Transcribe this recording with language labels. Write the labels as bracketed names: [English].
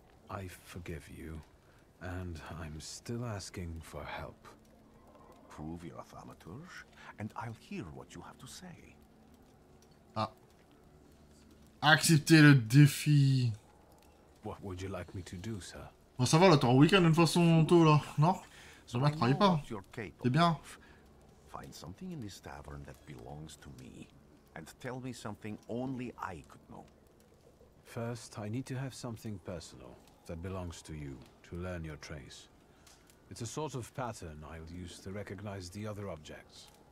[English] I forgive you, and I'm still asking for help. Prove your thaumaturge, and I'll hear what you have to say. [French] Ah. Accepter le défi. [English] What would you like me to do, sir? [French] Bon, ça va, là, t'es en week-end d'une façon tôt, là. Non? Ça va, travaille pas. C'est bien. [English] Find something in this tavern that belongs to me. And tell me something only I could know. First, I need to have something personal that belongs to you to learn your trace. It's a sort of pattern I'll use to recognize the other objects.